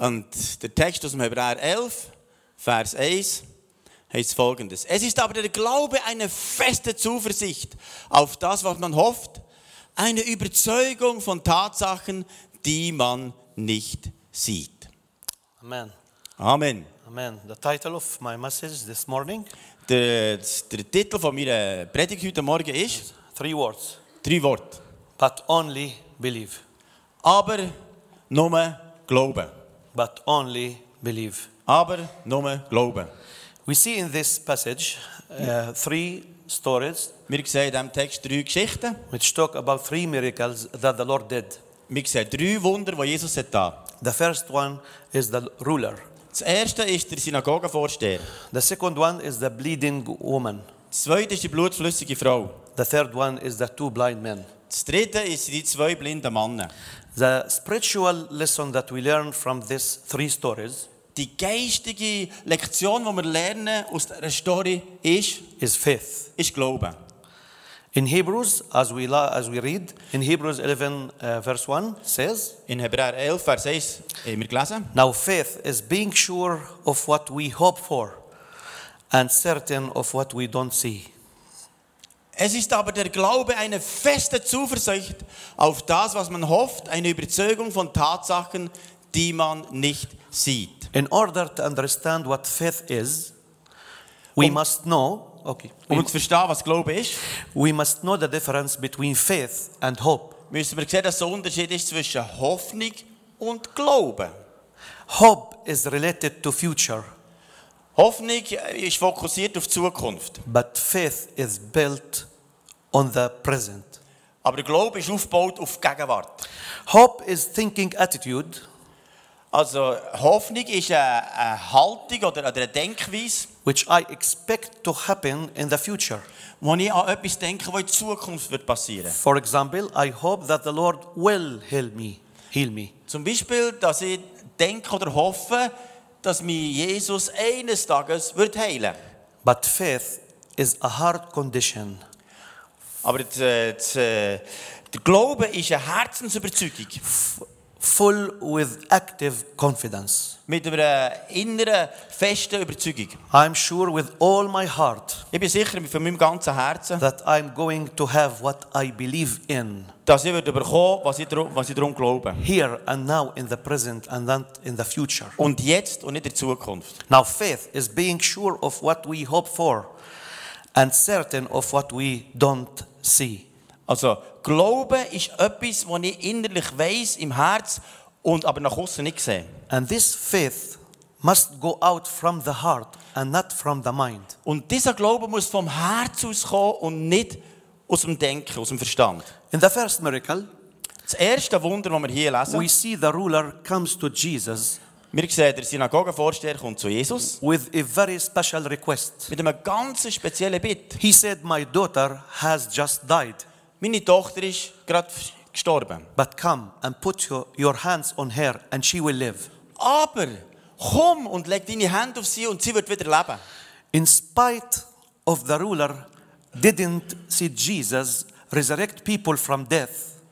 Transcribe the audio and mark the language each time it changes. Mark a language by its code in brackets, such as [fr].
[de] Und der Text aus dem Hebräer 11, Vers 1, heißt folgendes. Es ist aber der Glaube eine feste Zuversicht auf das, was man hofft, eine Überzeugung von Tatsachen, die man nicht sieht. Amen. Amen. Amen. [en] The title of my message this morning. [de] Der Titel von meiner Predigt heute Morgen ist. [en] Three words. [de] Drei Worte. [en] But only believe. [de] Aber nur glauben. [en] But only believe. [de] Aber nur glauben. [en] We see in this passage three stories. [de] Wir sehen in diesem Text drei Geschichten. [en] Which talk about three miracles that the Lord did. [de] Wir sehen drei Wunder, die Jesus hat da. [en] The first one is the ruler. [de] Das erste ist der Synagogenvorsteher. [en] The second one is the bleeding woman. [de] Das zweite ist die blutflüssige Frau. [en] The third one is the two blind men. [de] Das dritte ist die zwei blinden Männer. [en] The spiritual lesson that we learn from these three stories. [de] Die geistige Lektion, die wir lernen aus der Story, ist. [en] Is faith. [de] Ist Glauben. [en] In Hebrews, as we read, in Hebrews 11, verse 1, says, [de] in Hebräer 11, Vers 1, haben wir gelesen, [en] now faith is being sure of what we hope for and certain of what we don't see. [de] Es ist aber der Glaube eine feste Zuversicht auf das, was man hofft, eine Überzeugung von Tatsachen, die man nicht sieht. [en] In order to understand what faith is, we must know. [de] Okay. Um zu verstehen, was Glaube ist. [en] We must know the difference between faith and hope. [de] Müssen wir sehen, dass der Unterschied ist zwischen Hoffnung und Glaube. [en] Hope is related to future. [de] Hoffnung ist fokussiert auf Zukunft. [en] But faith is built on the present. [de] Aber der Glaube ist aufgebaut auf Gegenwart. [en] Hope is thinking attitude. [de] Also Hoffnung ist eine Haltung oder eine Denkweise, [en] which I expect to happen in the future. [de] Wo ich an etwas denke, was in Zukunft wird passieren. [en] For example, I hope that the Lord will heal me. [de] Zum Beispiel, dass ich denke oder hoffe, dass mich Jesus eines Tages wird heilen. [en] But faith is a heart condition. [de] Aber der Glaube ist eine Herzensüberzeugung. [en] Full with active confidence. [de] Mit einer inneren, festen Überzeugung. [en] I'm sure with all my heart. [de] Ich bin sicher mit meinem ganzen Herzen. [en] That I'm going to have what I believe in. [de] Dass ich werde bekommen, was ich darum glaube. [en] Here and now in the present and then in the future. [de] Und jetzt und nicht in der Zukunft. [en] Now faith is being sure of what we hope for and certain of what we don't see. [de] Also, Glaube ist etwas, was ich innerlich weiss, im Herz, und aber nach außen nicht sehe. [en] And this faith must go out from the heart and not from the mind. [de] Und dieser Glaube muss vom Herz auskommen und nicht aus dem Denken, aus dem Verstand. [en] In the first miracle, [de] das erste Wunder, das wir hier lesen, [en] we see the ruler comes to Jesus. [de] Wir sehen, der Synagogenvorsteher kommt zu Jesus. [en] With a very special request. [de] Mit einem ganz speziellen Bitt. [en] He said, my daughter has just died. [de] Meine Tochter ist gerade gestorben. [en] But come and put your hands on her and she will live. [de] Aber komm und leg deine Hand auf sie und sie wird wieder leben. [en] In spite of the ruler didn't see Jesus resurrect people from death.